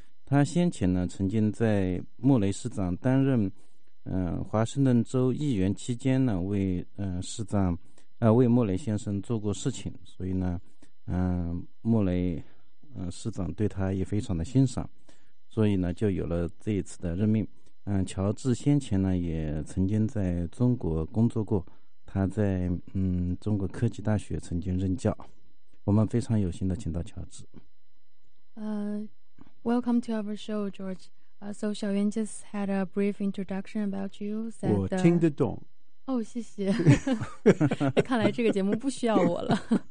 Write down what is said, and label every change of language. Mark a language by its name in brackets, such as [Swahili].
[Chinese] 他先前呢曾经在莫雷市长担任华盛顿州议员期间呢，为市长为莫雷先生做过事情，所以呢莫雷市长对他也非常的欣赏，所以呢就有了这一次的任命。乔治先前呢也曾经在中国工作过，他在中国科技大学曾经任教。我们非常有幸的请到乔治。 [English] Welcome to our show, George. So Xiaoyuan just had a brief introduction about you. [Chinese] 我听得懂。哦，谢谢。看来这个节目不需要我了。